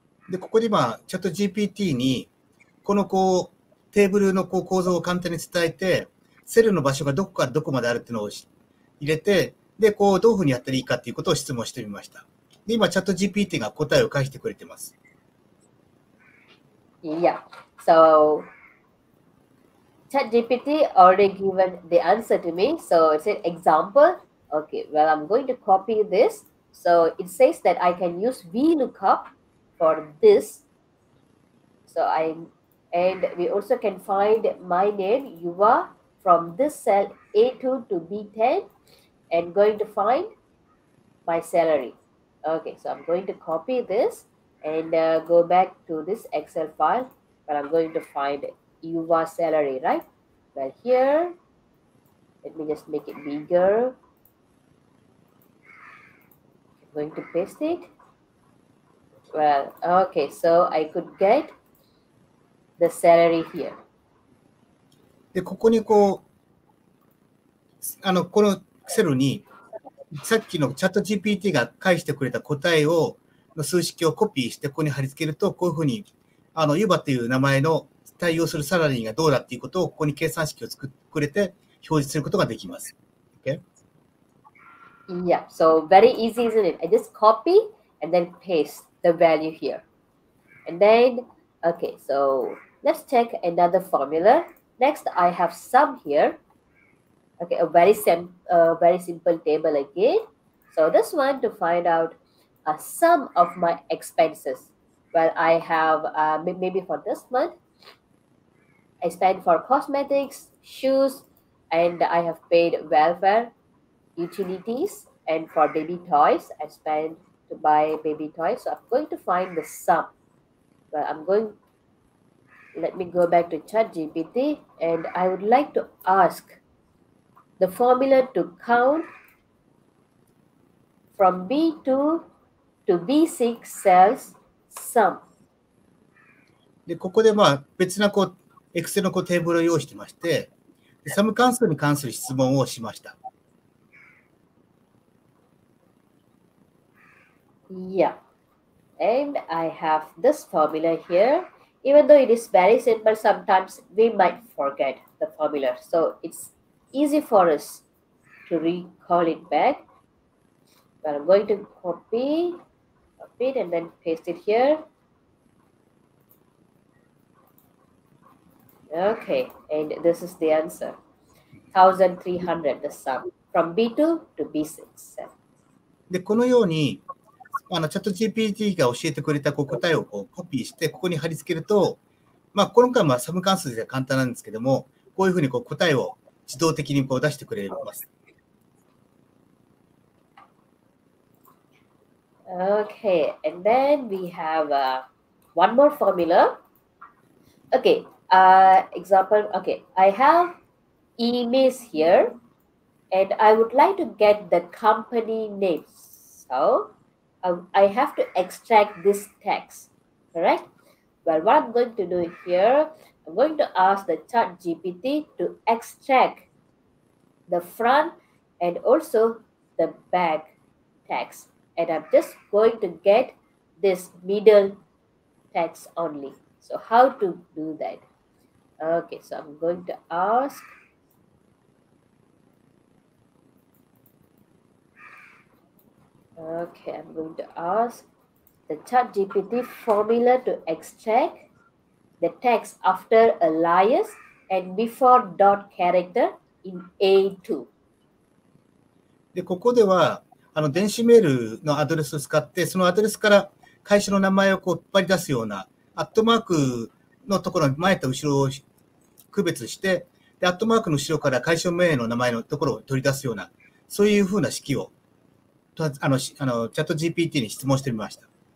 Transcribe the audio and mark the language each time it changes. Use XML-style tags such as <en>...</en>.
<ja>で、ここで今、チャット GPT に、このこう、テーブルのこう構造を簡単に伝えて、セルの場所がどこからどこまであるっていうのを入れて、で、こう、どういうふうにやったらいいかっていうことを質問してみました。で、今、チャット GPT が答えを返してくれてます。</ja> <en>Yeah. So, ChatGPT already given the answer to me. So, it's an example. Okay, well, I'm going to copy this. So, it says that I can use VLOOKUP for this. So, and we also can find my name, Yuva, from this cell A2 to B10. And going to find my salary. Okay, so I'm going to copy this and go back to this Excel file. But I'm going to find Yuva salary, right? Well, here, let me just make it bigger. I'm going to paste it. Well, okay, so I could get the salary here.</en> <ja>で、ここにこう、このセルに、さっきのチャット GPT が返してくれた答えを、の数式をコピーして、ここに貼り付けると、こういうふうに、ユバという名前の対応するサラリーがどうだっていうことを、ここに計算式を作ってくれて、表示することができます。</ja> <en>Okay? Yeah, so very easy, isn't it? I just copy and then paste the value here. And then, okay, so let's check another formula. Next, I have sum here. Okay, a very simple table again. So this one to find out a sum of my expenses. Well, I have maybe for this month, I spend for cosmetics, shoes, and I have paid welfare, utilities, and for baby toys, I spend to buy baby toys. So I'm going to find the sum. Well, let me go back to ChatGPT, and I would like to ask the formula to count from B2 to B6 cells sum.</en> <ja>で、ここでまあ別なこう、Excel のこうテーブルを用意してまして、サム関数に関する質問をしました。</ja> <en>Yeah. And I have this formula here. Even though it is very simple, sometimes we might forget the formula. So it's easy for us to recall it back. But I'm going to copy it and then paste it here. Okay, and this is the answer. 1,300, the sum from B2 to B6.</en> <ja>で、このように、チャット GPT が教えてくれたこう答えをこうコピーして、ここに貼り付けると、まあ、今回はサム関数では簡単なんですけども、こういうふうにこう答えを自動的にこう出してくれます。</ja> <en>Okay, and then we have one more formula. Okay, example, okay, I have emails here, and I would like to get the company name. So I have to extract this text, correct? Well, what I'm going to do here, I'm going to ask the ChatGPT to extract the front and also the back text. And I'm just going to get this middle text only. So how to do that? Okay, so I'm going to ask. Okay, I'm going to ask the ChatGPT formula to extract the text after alias and before dot character in A2.</en> <ja>で、ここでは、あの電子メールのアドレスを使って、そのアドレスから会社の名前をこう引っ張り出すような、アットマークのところの前と後ろを区別して、でアットマークの後ろから会社名の名前のところを取り出すような、そういうふうな式をあのチャット GPT に質問してみました。</ja>